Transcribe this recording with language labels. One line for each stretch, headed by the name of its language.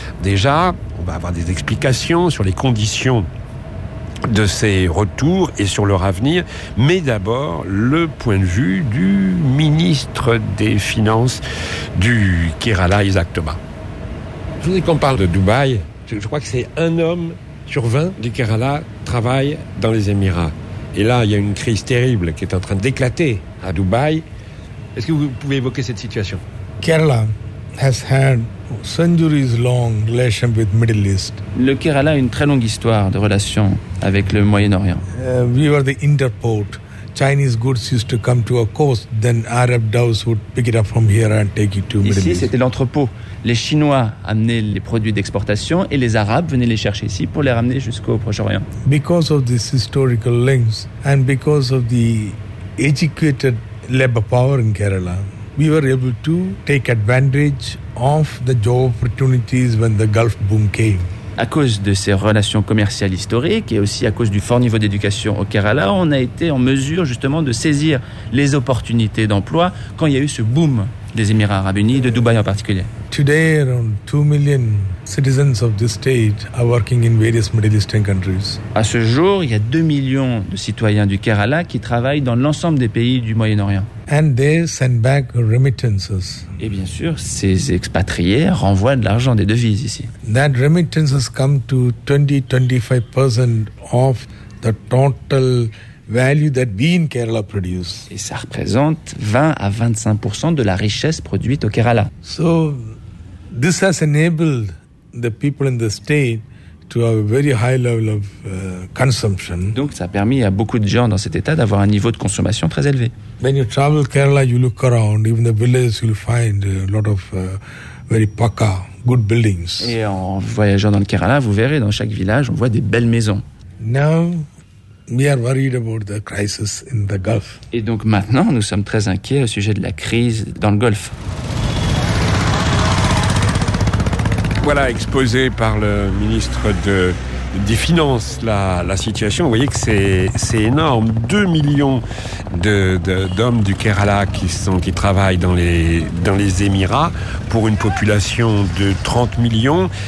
French: Déjà, on va avoir des explications sur les conditions de ses retours et sur leur avenir, mais d'abord le point de vue du ministre des Finances du Kerala, Isaac Thomas. Je vous dis qu'on parle de Dubaï, je crois que c'est un homme sur 20 du Kerala travaille dans les Émirats. Et là, il y a une crise terrible qui est en train d'éclater à Dubaï. Est-ce que vous pouvez évoquer cette situation?
English: Kerala has had centuries long relation with Middle East.
French: Le Kerala a une très longue histoire de relations avec le Moyen-Orient.
English: We were the interport. Chinese goods used to come to our coast, then Arab dhows would pick it up from here and take it to Middle East.
French: Ici, c'était l'entrepôt. Les Chinois amenaient les produits d'exportation et les Arabes venaient les chercher ici pour les ramener jusqu'au Proche-Orient.
English: Because of these historical links and because of the educated labor power in Kerala, we were able to take advantage of the job opportunities when the Gulf boom came.
French: À cause de ces relations commerciales historiques et aussi à cause du fort niveau d'éducation au Kerala, on a été en mesure justement de saisir les opportunités d'emploi quand il y a eu ce boom des Émirats Arabes Unis, de Dubaï en particulier.
English: Today, around 2 million citizens of this state are working in various Middle Eastern countries.
French: À ce jour, il y a 2 millions de citoyens du Kerala qui travaillent dans l'ensemble des pays du Moyen-Orient.
English: And they send back remittances.
French: Et bien sûr, ces expatriés renvoient de l'argent, des devises ici.
English: That remittances come to 20-25% of the total value that we in Kerala produce.
French: Et ça représente 20 à 25% de la richesse produite au Kerala.
English: So this has enabled the people in the state to have a very high level of consumption.
French: Donc ça a permis à beaucoup de gens dans cet état d'avoir un niveau de consommation très élevé.
English: When you travel Kerala, you look around, even the villages, you'll find a lot of very paka, good buildings.
French: Et en voyageant dans le Kerala, vous verrez, dans chaque village, on voit des belles maisons. Now, we are worried about the crisis in the Gulf. Et donc maintenant, nous sommes très inquiets au sujet de la crise dans le Golfe. Voilà, exposé par le ministre des Finances, la situation. Vous voyez que c'est énorme. 2 millions d'hommes du Kerala qui travaillent dans les Émirats pour une population de 30 millions.